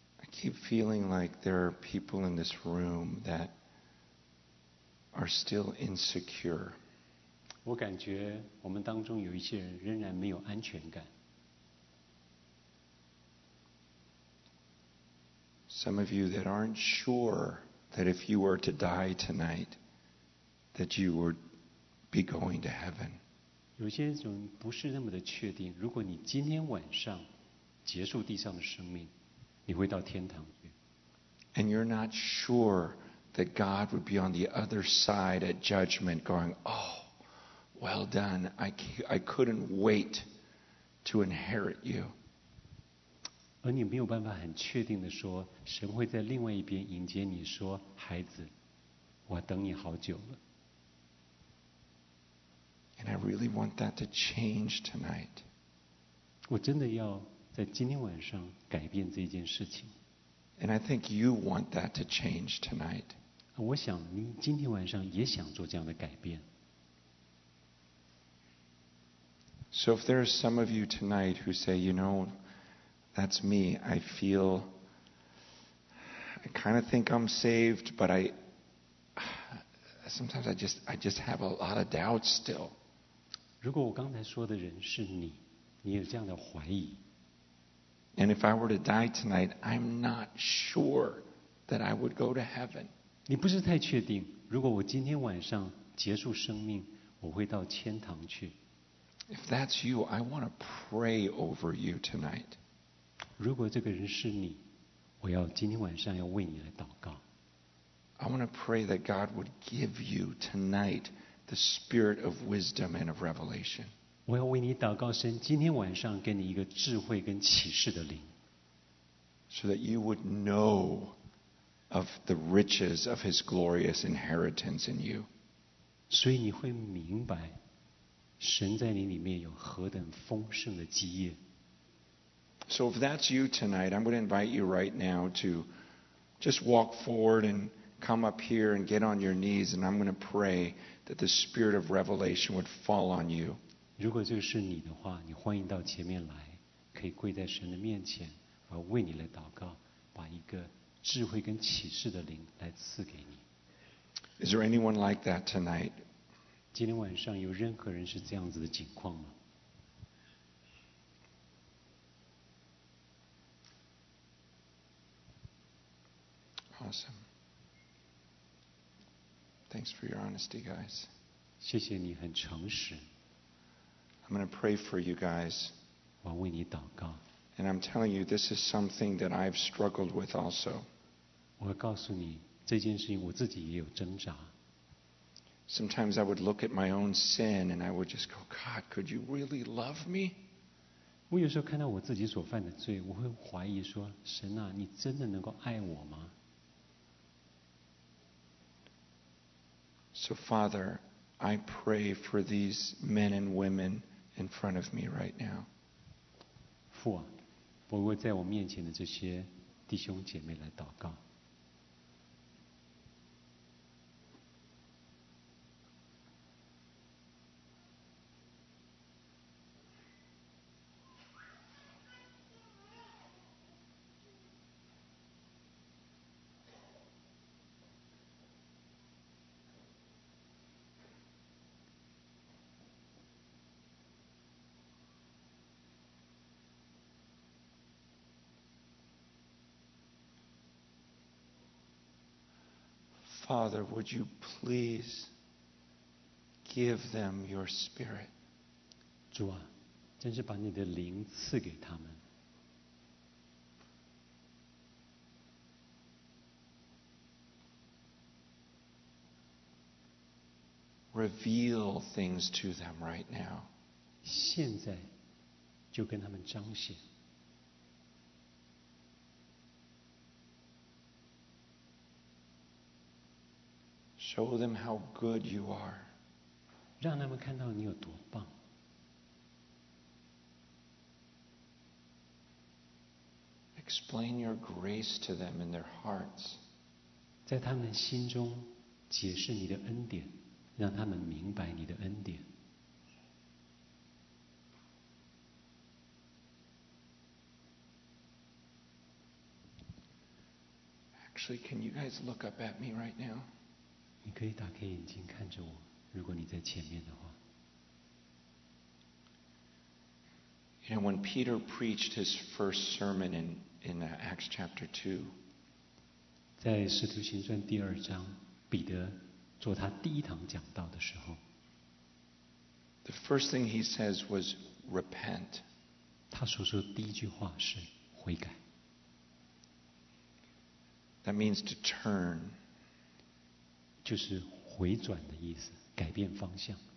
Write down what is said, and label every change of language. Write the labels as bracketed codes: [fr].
[en] keep feeling like there are people in this room that are still insecure. [zh] 我感觉我们当中有一些人仍然没有安全感。 [en] Some of you that aren't sure that if you were to die tonight, that you would be going to heaven. [zh] 有些人不是那么的确定，如果你今天晚上结束地上的生命，你会到天堂去。 [en] And you're not sure that God would be on the other side at judgment going, oh, well done, I couldn't wait to inherit you. [zh] 而你没有办法很确定地说，神会在另外一边迎接你，说，孩子，我等你好久了。 [en] And I really want that to change tonight. [zh] 我真的要在今天晚上改变这件事情。 [en] And I think you want that to change tonight. [zh] 我想你今天晚上也想做这样的改变。 [en] So if there are some of you tonight who say, you know,That's me. I feel, I kind of think I'm saved, but I sometimes just have a lot of doubts still. [zh] 如果我刚才说的人是你，你有这样的怀疑。 [en] And if I were to die tonight, I'm not sure that I would go to heaven. [zh] 你不是太确定，如果我今天晚上结束生命，我会到天堂去。 [en] If that's you, I want to pray over you tonight. [zh] 如果这个人是你，我要今天晚上要为你来祷告。 [en] I want to pray that God would give you tonight the spirit of wisdom and of revelation. [zh] 我要为你祷告，神今天晚上给你一个智慧跟启示的灵。 [en] So that you would know of the riches of His glorious inheritance in you. [zh] 所以你会明白，神在你里面有何等丰盛的基业。 [en] So if that's you tonight, I'm going to invite you right now to just walk forward and come up here and get on your knees and I'm going to pray that the spirit of revelation would fall on you. [zh] 如果这是你的话，你欢迎到前面来，可以跪在神的面前，我要为你来祷告，把一个智慧跟启示的灵来赐给你。 [en] Is there anyone like that tonight? [zh] 今天晚上有任何人是这样子的情况吗？ [en] Awesome. Thanks for your honesty, guys. [zh] 谢谢你很诚实。 [en] I'm going to pray for you guys. [zh] 我为你祷告。 [en] And I'm telling you, this is something that I've struggled with also. [zh] 我告诉你，这件事情我自己也有挣扎。 [en] Sometimes I would look at my own sin and I would just go, God, could you really love me? [zh] 我有时候看到我自己所犯的罪，我会怀疑说，神啊，你真的能够爱我吗？ [en] So Father, I pray for these men and women in front of me right now. [zh] 父啊，我为在我面前的这些弟兄姐妹来祷告。 [en] Father, would you please give them your spirit? [zh] 主啊，真是把你的灵赐给他们。 [en] Reveal things to them right now. [zh] 现在就跟他们彰显。 [en] Show them how good you are. [zh] 让他们看到你有多棒。 [en] Explain your grace to them in their hearts. [zh] 在他们心中解释你的恩典，让他们明白你的恩典。 [en] Actually, can you guys look up at me right now? [zh] 你可以打开眼睛看着我，如果你在前面的话。 [en] You know, when Peter preached his first sermon in Acts chapter 2, [zh] 在《使徒行传》第二章，彼得做他第一堂讲道的时候， [en] The first thing he says was repent. [zh] 他所说的第一句话是悔改。 [en] That means to turn. [zh] 就是回转的意思，改变方向。